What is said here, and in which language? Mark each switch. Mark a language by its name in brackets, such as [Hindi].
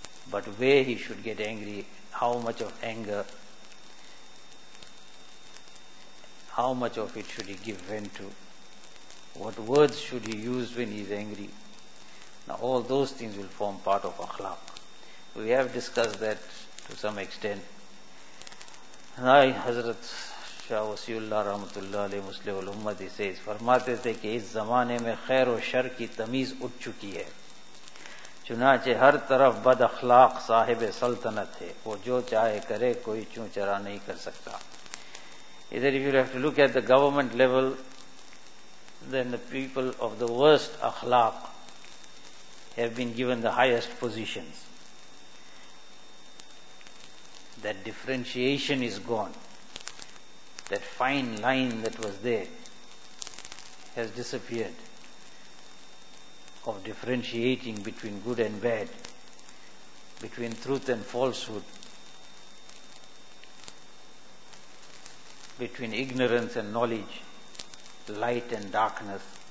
[English] But where he should get angry, how much of anger, how much of it should he give vent to, what words should he use when he is angry, now all those things will form part of akhlaq. We have discussed that to some extent. Now Hazrat Shah Wasiullah Rahmatullah Alayhi Muslim Ul Ummati says, [Urdu] فرماتے تھے کہ اس زمانے میں خیر و شر کی تمیز اٹھ چکی ہے، چنانچہ ہر طرف بد اخلاق صاحب سلطنت ہے، وہ جو چاہے کرے کوئی چوں چرا نہیں کر سکتا. [English] Either if you have to look at the government level, then the people of the worst akhlaq have been given the highest positions. That differentiation is gone. That fine line that was there has disappeared, of differentiating between good and bad, between truth and falsehood, between ignorance and knowledge, light and darkness.